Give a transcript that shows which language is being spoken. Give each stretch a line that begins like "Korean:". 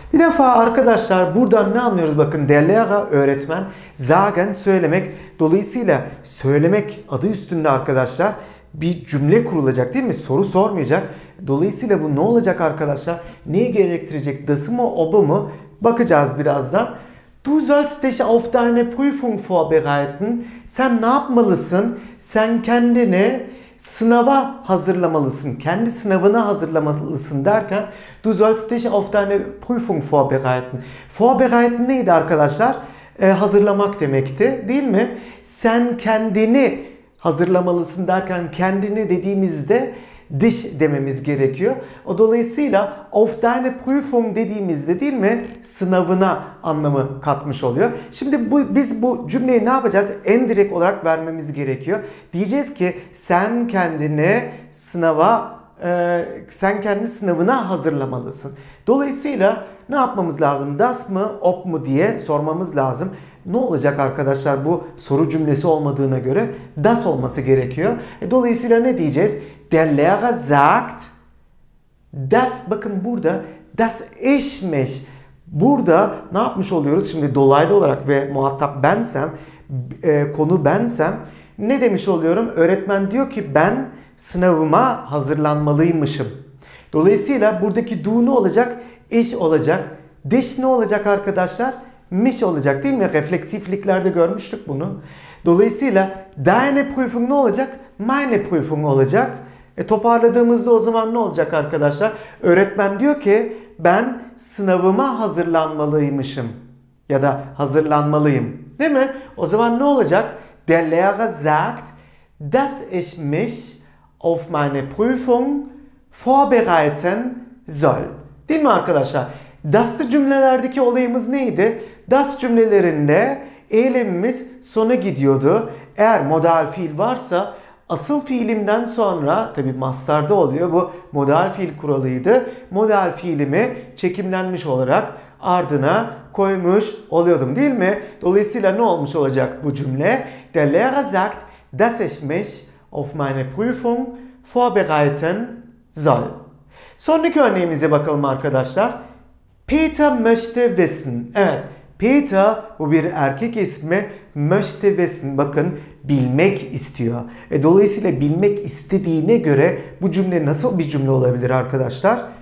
Turkish: Bir defa arkadaşlar buradan ne anlıyoruz, bakın Delega öğretmen, Zagen söylemek, dolayısıyla söylemek adı üstünde arkadaşlar bir cümle kurulacak değil mi? Soru sormayacak. Dolayısıyla bu ne olacak arkadaşlar? Neyi gerektirecek? Das'ı mı, ob'ı mı? Bakacağız birazdan.
German: Du sollst dich auf deine Prüfung vorbereiten.
Turkish: Sen ne yapmalısın? Sen kendini sınava hazırlamalısın, kendi sınavını hazırlamalısın derken
German: du sollst dich auf deine Prüfung vorbereiten.
Turkish: Vorbereiten neydi arkadaşlar? Hazırlamak demekti, değil mi? Sen kendini hazırlamalısın derken kendini dediğimizde dich dememiz gerekiyor. O dolayısıyla
German: auf deine Prüfung
Turkish: dediğimizde, değil mi, sınavına anlamı katmış oluyor. Şimdi biz bu cümleyi ne yapacağız? En direkt olarak vermemiz gerekiyor. Diyeceğiz ki sen kendini sınava sen kendini sınavına hazırlamalısın. Dolayısıyla ne yapmamız lazım? Das mı, ob mu diye sormamız lazım. Ne olacak arkadaşlar, bu soru cümlesi olmadığına göre das olması gerekiyor. Dolayısıyla ne diyeceğiz?
German: Der Lehrer sagt, das,
Turkish: bakın burada
German: das ich mich.
Turkish: Burada ne yapmış oluyoruz şimdi dolaylı olarak ve muhatap bensem, konu bensem, ne demiş oluyorum? Öğretmen diyor ki ben sınavıma hazırlanmalıymışım. Dolayısıyla buradaki du ne olacak? Ich olacak. Dich ne olacak arkadaşlar? Mich olacak, değil mi? Refleksifliklerde görmüştük bunu. Dolayısıyla
German: deine Prüfung
Turkish: ne olacak?
German: Meine Prüfung
Turkish: olacak. Toparladığımızda o zaman ne olacak arkadaşlar? Öğretmen diyor ki ben sınavıma hazırlanmalıymışım. Ya da hazırlanmalıyım. Değil mi? O zaman ne olacak?
German: Der Lehrer sagt, dass ich mich auf meine Prüfung vorbereiten soll.
Turkish: Değil mi arkadaşlar? Das'lı cümlelerdeki olayımız neydi? Das cümlelerinde eylemimiz sona gidiyordu. Eğer modal fiil varsa asıl fiilimden sonra, tabi mastarda oluyor, bu modal fiil kuralıydı. Modal fiilimi çekimlenmiş olarak ardına koymuş oluyordum, değil mi? Dolayısıyla ne olmuş olacak bu cümle?
German: Der Lehrer sagt, dass ich mich auf meine Prüfung vorbereiten soll.
Turkish: Sonraki örneğimize bakalım arkadaşlar.
German: Peter möchte wissen.
Turkish: Evet, Peter, bu bir erkek ismi,
German: möchte wissen,
Turkish: bakın bilmek istiyor. Dolayısıyla bilmek istediğine göre bu cümle nasıl bir cümle olabilir arkadaşlar?